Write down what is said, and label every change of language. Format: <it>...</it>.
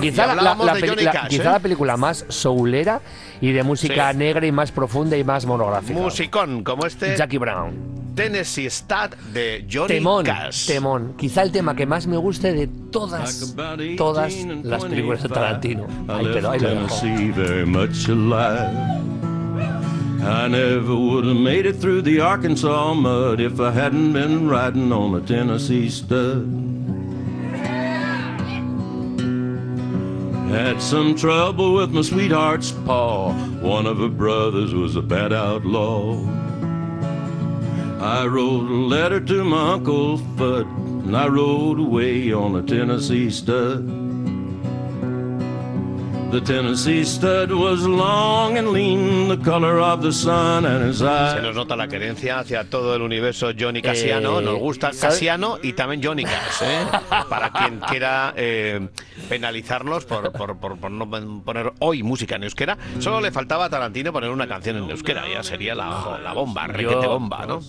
<es>Quizá la película más soulera y de música negra y más profunda y más monográfica. Musicón, como este. Jackie Brown. Tennessee Stud de Johnny Cash. Temón. Quizá el tema que más me guste de todas las películas de Tarantino.</es> <en>Tennessee very much alive. I never would have made it through the Arkansas mud if I hadn't been riding on a Tennessee Stud. Had some trouble with my sweetheart's pa. One of her brothers was a bad outlaw. I wrote a letter to my Uncle Fudd, and I rode away on a Tennessee stud. The Tennessee stud was long and lean, the color of the sun and his eyes.</en> <es>Se nos nota la querencia hacia todo el universo Johnny Cassiano. Nos gusta Cassiano y también Johnny Cash, ¿eh? Para quien quiera penalizarlos por no poner hoy música en euskera. Solo le faltaba a Tarantino poner una canción en euskera. Ya sería la bomba, requete bomba, ¿no?</es>